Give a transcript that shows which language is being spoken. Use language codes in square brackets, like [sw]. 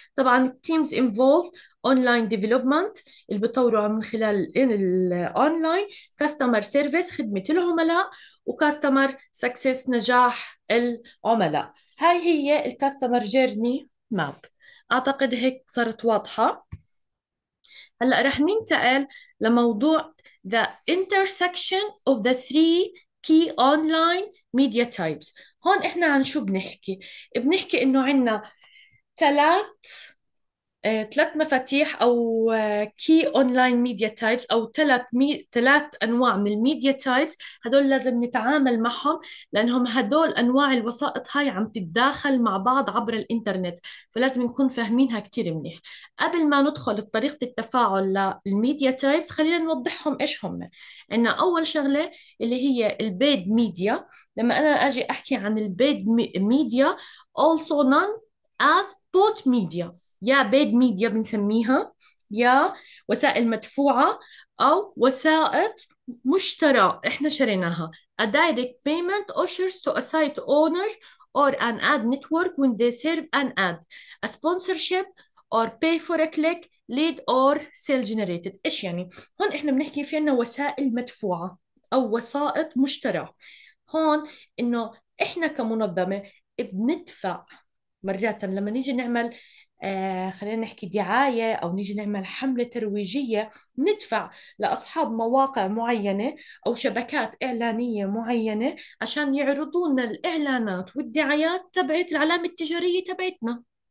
[ar] طبعا التيمز انفولف اونلاين ديفلوبمنت اللي بطوروا من خلال الاونلاين، كاستمر سيرفيس خدمة العملاء، وكاستمر سكسس نجاح العملاء. هاي هي الكاستمر جيرني ماب، اعتقد هيك صارت واضحة. هلا رح ننتقل لموضوع [en] the intersection of the three key online media types. [ar] هون احنا عن شو بنحكي؟ بنحكي انه عندنا ثلاث مفاتيح او [en] key online media types، [ar] او ثلاث انواع من الميديا تايبس، هدول لازم نتعامل معهم لانهم هدول انواع الوسائط هاي عم تتداخل مع بعض عبر الانترنت، فلازم نكون فاهمينها كتير منيح. قبل ما ندخل بطريقة التفاعل للميديا تايبس خلينا نوضحهم ايش هم. عندنا اول شغلة اللي هي البيد ميديا، لما انا اجي احكي عن البيد ميديا [en] also known as bought media، [ar] يا بيد ميديا بنسميها، يا وسائل مدفوعة أو وسائط مشترى إحنا شريناها. [en] A direct payment offers to a site owner or an ad network when they serve an ad. A sponsorship or pay for a click, lead or sale generated. [ar] إيش يعني؟ هون إحنا بنحكي في عنا وسائل مدفوعة أو وسائط مشترى. هون إنه إحنا كمنظمة بندفع مرات لما نيجي نعمل خلينا نحكي دعاية، أو نيجي نعمل حملة ترويجية، ندفع لأصحاب مواقع معينة أو شبكات إعلانية معينة عشان يعرضونا الإعلانات والدعايات تبعت العلامة التجارية تبعتنا.